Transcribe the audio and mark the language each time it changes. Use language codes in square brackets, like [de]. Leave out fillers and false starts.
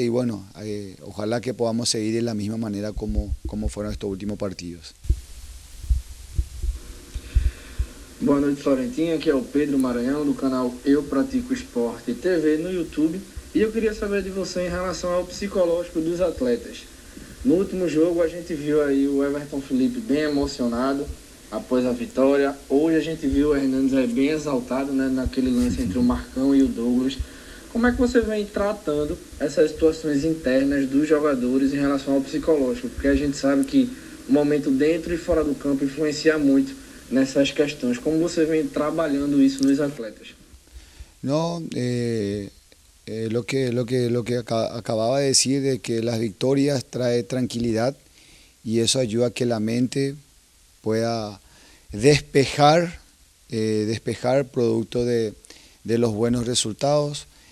[es] Y bueno, ojalá que podamos seguir de la misma manera como fueron estos últimos partidos. [pt] Boa noite, Florentinha. Aqui é o Pedro Maranhão, do canal Eu Pratico Esporte TV no YouTube. E eu queria saber de você em relação ao psicológico dos atletas. No último jogo a gente viu aí o Everton Felipe bem emocionado após a vitória. Hoje a gente viu o Hernandes aí bem exaltado, né, naquele lance entre o Marcão e o Douglas. Como é que você vem tratando essas situações internas dos jogadores em relação ao psicológico? Porque a gente sabe que o momento dentro e fora do campo influencia muito nessas questões. Como você vem trabalhando isso nos atletas? Não, é... [es] lo que acababa de decir, de que las victorias trae tranquilidad y eso ayuda a que la mente pueda despejar, despejar producto de los buenos resultados.